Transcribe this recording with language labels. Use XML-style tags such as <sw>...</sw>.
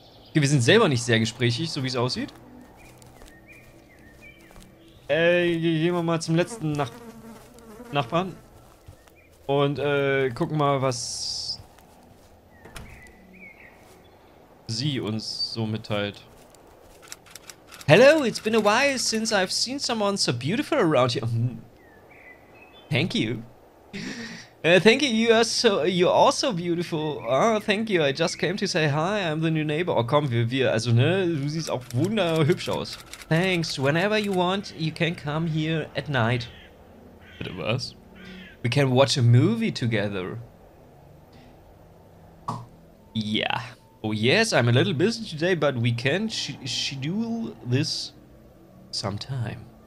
<de>Okay, wir sind selber nicht sehr gesprächig, so wie es aussieht. Gehen wir mal zum letzten Nachbarn. Und gucken mal, was sie uns so mitteilt.</de> <en>Hello, it's been a while since I've seen someone so beautiful around here. Thank you. Thank you, you're also beautiful. Ah, thank you, I just came to say hi, I'm the new neighbor.</en> <de>Oh, komm, wir, also ne, du siehst auch wunderhübsch aus.</de> <en>Thanks, whenever you want, you can come here at night.</en> <de>Bitte was?</de> <en>We can watch a movie together. Yeah. Oh yes, I'm a little busy today, but we can schedule this sometime.</en>